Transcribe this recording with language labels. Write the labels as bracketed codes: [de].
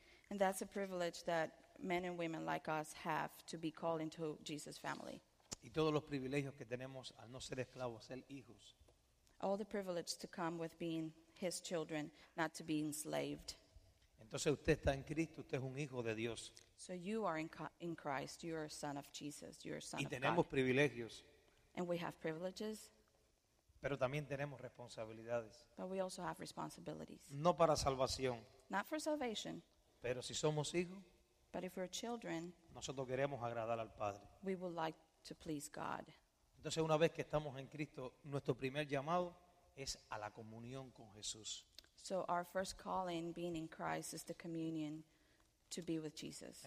[en] And that's a privilege that men and women like us have to be called into Jesus' family. [es] Y todos los privilegios que tenemos al no ser esclavos, ser hijos. [en] All the privilege to come with being his children, not to be enslaved. [es] Entonces usted está en Cristo, usted es un hijo de Dios. [en] So you are in Christ, you are a son of Jesus, you are a son of God. [es] Y tenemos privilegios. [en] And we have privileges. [es] Pero también tenemos responsabilidades. [en] But we also have responsibilities. [es] No para salvación. [en] Not for salvation. [es] Pero si somos hijos. [en] But if we're children. [es] Nosotros queremos agradar al Padre. [en] We would like to please God. [es] Entonces una vez que estamos en Cristo, nuestro primer llamado es a la comunión con Jesús. [en] So our first calling being in Christ is the communion to be with Jesus.